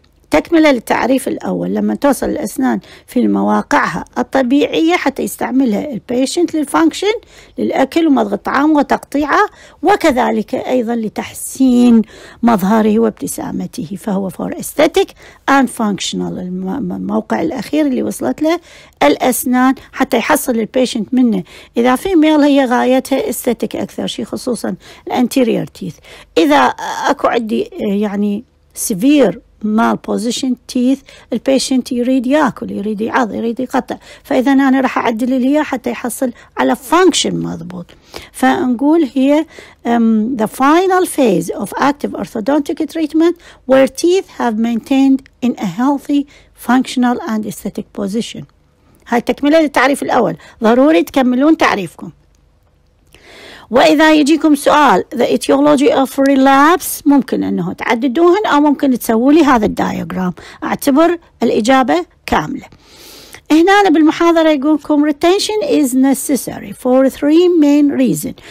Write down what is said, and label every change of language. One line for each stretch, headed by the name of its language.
Arabic: تكمل التعريف الأول لما توصل الأسنان في مواقعها الطبيعية حتى يستعملها البيشنت للفانكشن للأكل ومضغ الطعام وتقطيعه وكذلك أيضا لتحسين مظهره وابتسامته، فهو
English: for aesthetic and functional
Arabic: الموقع الأخير اللي وصلت له الأسنان حتى يحصل البيشنت منه، إذا في ميل هي غايتها aesthetic أكثر شيء خصوصا الانتيريور تيث، إذا أكو عندي يعني severe مال بوزيشن تيث البيشنت يريد ياكل يريد يعض يريد يقطع، فاذا انا راح اعدل لي اياه حتى يحصل على فانكشن مضبوط. فنقول هي
English: the final phase of active orthodontic treatment where teeth have maintained in a healthy functional and aesthetic position.
Arabic: هاي تكملة للتعريف الاول، ضروري تكملون تعريفكم. وإذا يجيكم سؤال
English: the etiology of relapse
Arabic: ممكن أنه تعددوهن أو ممكن تسووا لي هذا الدياجرام، أعتبر الإجابة كاملة. هنا بالمحاضرة يقولكم
English: retention is necessary for three main reasons.